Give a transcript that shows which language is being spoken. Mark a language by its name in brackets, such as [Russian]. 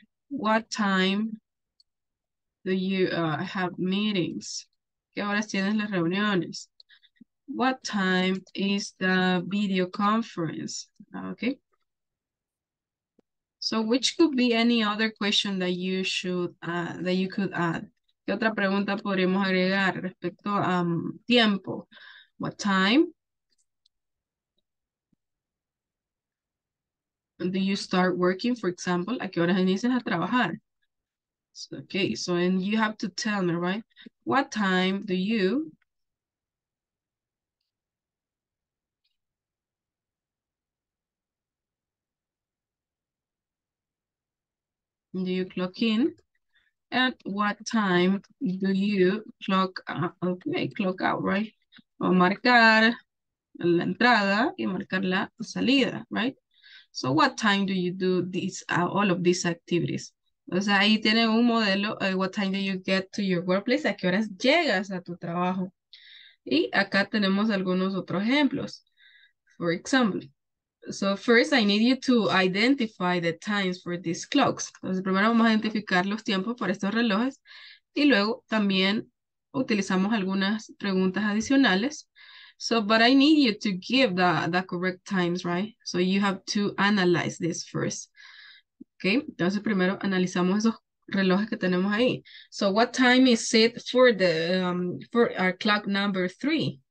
[English] What time do you have meetings? [Spanish] ¿Qué horas tienes las reuniones? [English] What time is the video conference? Okay. So which could be any other question that you should that you could add? [Spanish] ¿Qué otra pregunta podríamos agregar respecto a tiempo? [English] What time do you start working, for example? [Spanish] ¿A qué horas inician a trabajar? [English] So, okay, so and you have to tell me, right? What time do you clock in? At what time do you clock out? Okay, clock out, right? [Spanish] O marcar la entrada y marcar la salida, right? [English] So what time do you do these all of these activities? [Spanish] O sea, ahí tiene un modelo, [English] what time do you get to your workplace? [Spanish] ¿A qué horas llegas a tu trabajo? Y acá tenemos algunos otros ejemplos. [English] For example, so first I need you to identify the times for these clocks. [Spanish] Entonces primero vamos a identificar los tiempos para estos relojes y luego también utilizamos algunas preguntas adicionales. [English] So, but I need you to give the correct times, right? So you have to analyze this first. [Spanish] Okay, entonces primero analizamos esos relojes que tenemos ahí. [English] So what time is it for the for our clock number 3?